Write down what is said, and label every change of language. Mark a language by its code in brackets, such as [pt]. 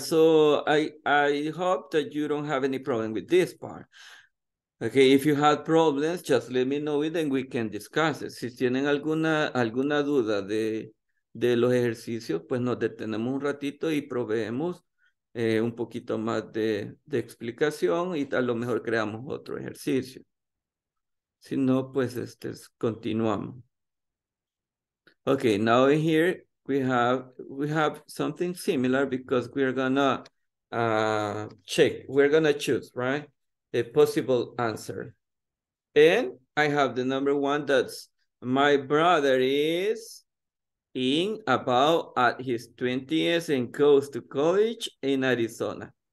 [en] So I hope that you don't have any problem with this part. Okay, if you have problems, just let me know it and we can discuss it. [es] Si tienen alguna duda de los ejercicios, pues nos detenemos un ratito y proveemos un poquito más de explicación y a lo mejor creamos otro ejercicio. Si no, pues continuamos. [en] Okay, now here we have something similar because we're gonna choose, right? A possible answer. And I have the number one, that's my brother is in about at his 20th and goes to college in Arizona.